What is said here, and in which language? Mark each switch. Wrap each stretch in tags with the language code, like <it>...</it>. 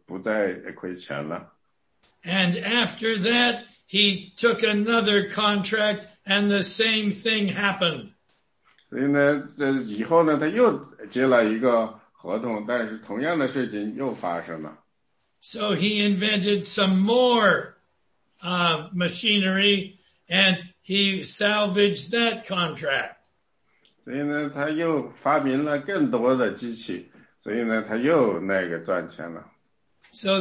<zh>所以呢，他实际上呢，他发明了一些修路的机器，那么说他的公司呢就不再亏钱了。</zh> <en>And after that, he took another contract, and the same thing happened.</en> <zh>所以呢，这以后呢，他又接了一个合同，但是同样的事情又发生了。</zh> <en>So he invented some more machinery, and he salvaged that contract.</en> <zh>所以呢，他又发明了更多的机器，所以呢，他又那个赚钱了。</zh> <en>So</en>